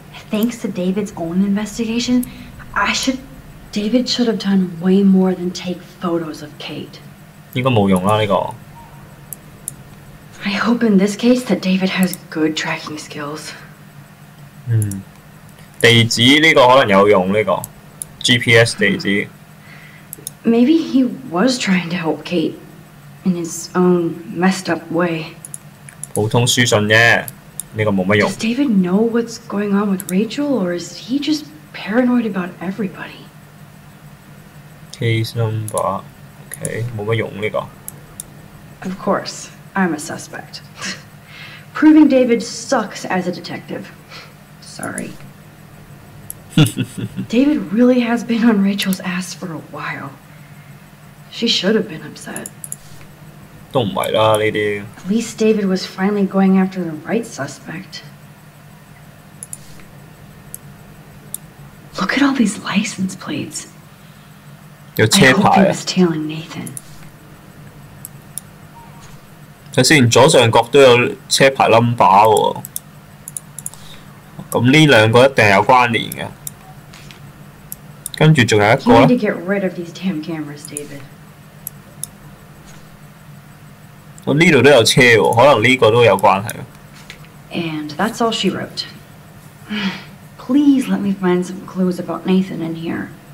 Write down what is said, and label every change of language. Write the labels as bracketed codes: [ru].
[en] Thanks to David's own investigation, David should have done way more than take photos of Kate. [yue] 應該冇用啦呢個。 [en] I hope in this case that David has good tracking skills. 嗯。 [yue] 地址呢个可能有用呢、这个 GPS 地址。 [en] Maybe he was trying to help Kate in his own messed up way. [yue] 普通书信啫，呢个冇乜用。 [en] Does David know what's going on with Rachel, or is he just paranoid about everybody? Case number. Okay, [yue] 冇乜用呢、这个。 [en] Of course, I'm a suspect. Proving David sucks as a detective. Sorry. David really has been on Rachel's ass for a while. She should have been upset. [yue] 都唔係啦，呢啲。 [en] At least David was finally going after the right suspect. Look at all these license plates. [yue] 有車牌。 [en] I hope he was tailing Nathan. [yue] 睇先，左上角都有車牌 number 喎。咁呢兩個一定有關聯嘅。跟住仲有一個咧。 [en] You need to get rid of these damn cameras, David. [yue] 我呢度都有車喎，可能呢個都有關係。 [en] And that's all she wrote. Please let me find some clues about Nathan in here.